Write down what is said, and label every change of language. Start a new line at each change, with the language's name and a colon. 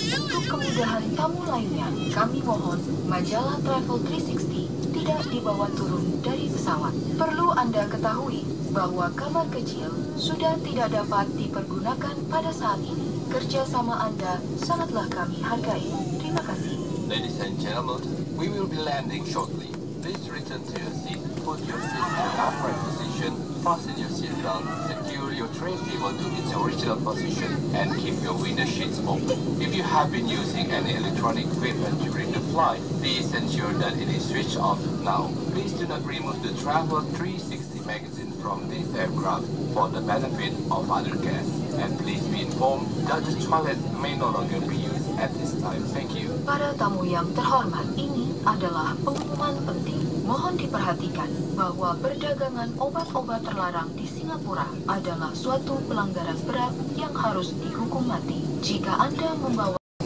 Indonesian: Untuk kemudahan tamu lainnya, kami mohon majalah Travel 360 tidak dibawa turun dari pesawat. Perlu Anda ketahui bahwa kamar kecil sudah tidak dapat dipergunakan pada saat ini. Kerjasama Anda sangatlah kami hargai. Terima kasih.
English: Ladies and gentlemen, we will be landing shortly. Please return to your seat, put your seat in the upright position, fasten your seatbelt, secure your tray table to its original position, and keep your window sheets open. If you have been using any electronic equipment during the flight, please ensure that it is switched off now. Please do not remove the Travel 360 magazine from this aircraft for the benefit of other guests. And please be informed that the toilet may no longer be used at this time. Thank you.
Indonesian: Para tamu yang terhormat, ini adalah pengumuman penting. Mohon diperhatikan bahwa perdagangan obat-obat terlarang di Singapura adalah suatu pelanggaran berat yang harus dihukum mati. Jika Anda membawa